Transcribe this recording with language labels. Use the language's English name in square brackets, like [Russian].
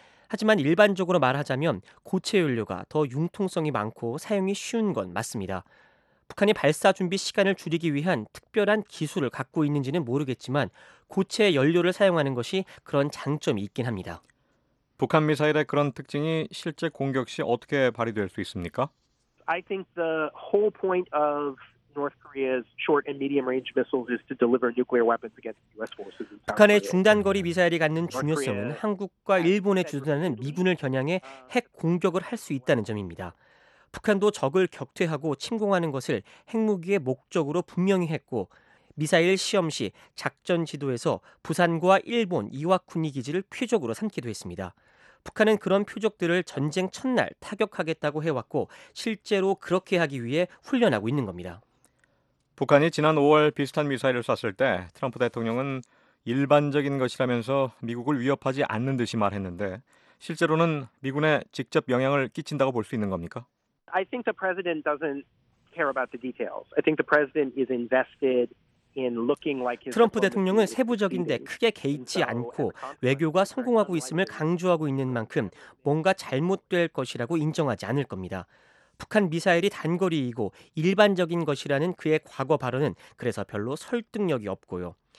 [Korean] 하지만 일반적으로 말하자면 고체 연료가 더 융통성이 많고 사용이 쉬운 건 맞습니다. 북한이 발사 준비 시간을 줄이기 위한 특별한 기술을 갖고 있는지는 모르겠지만 고체 연료를 사용하는 것이 그런 장점이 있긴 합니다. 북한 미사일의 그런 특징이 실제 공격 시 어떻게 발휘될 수 있습니까? [English] I think the whole point of North Korea's short and medium range missiles is to deliver nuclear weapons against US forces. [Korean] 북한의 중단거리 미사일이 갖는 중요성은 한국과 일본에 주둔하는 미군을 겨냥해 핵 공격을 할 수 있다는 점입니다. 북한도 적을 격퇴하고 침공하는 것을 핵무기의 목적으로 분명히 했고 미사일 시험 시 작전 지도에서 부산과 일본 이와쿠니 기지를 표적으로 삼기도 했습니다. 북한은 그런 표적들을 전쟁 첫날 타격하겠다고 해왔고 실제로 그렇게 하기 위해 훈련하고 있는 겁니다. 북한이 지난 5월 비슷한 미사일을 쐈을 때 트럼프 대통령은 일반적인 것이라면서 미국을 위협하지 않는 듯이 말했는데 실제로는 미군에 직접 영향을 끼친다고 볼 수 있는 겁니까? [English] I think the president doesn't care about the details. I think the president is invested [Korean] 트럼프 대통령은 세부적인데 크게 개의치 않고 외교가 성공하고 있음을 강조하고 있는 만큼 뭔가 잘못될 것이라고 인정하지 않을 겁니다. 북한 미사일이 단거리이고 일반적인 것이라는 그의 과거 발언은 그래서 별로 설득력이 없고요.